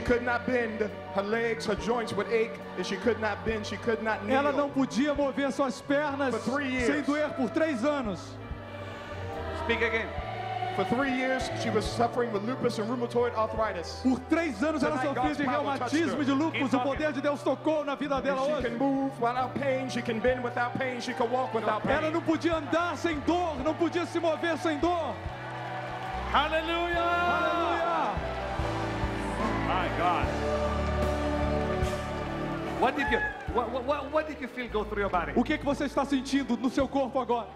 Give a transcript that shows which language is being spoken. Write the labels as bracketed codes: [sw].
[en] She could not bend her legs, her joints would ache, and she could not bend, she could not kneel. [pt] Ela não podia mover suas pernas sem doer por 3 anos. [en] Speak again. For 3 years, she was suffering with lupus and rheumatoid arthritis. [pt] Por 3 anos ela sofria de reumatismo e de lupus. O poder de Deus tocou na vida dela hoje. [en] She can move without pain. She can bend without pain. She can walk without pain. [pt] Ela não podia andar sem dor. Não podia se mover sem dor. [en] Hallelujah! Hallelujah! My God! What did you feel go through your body? [pt] O que que você está sentindo no seu corpo agora?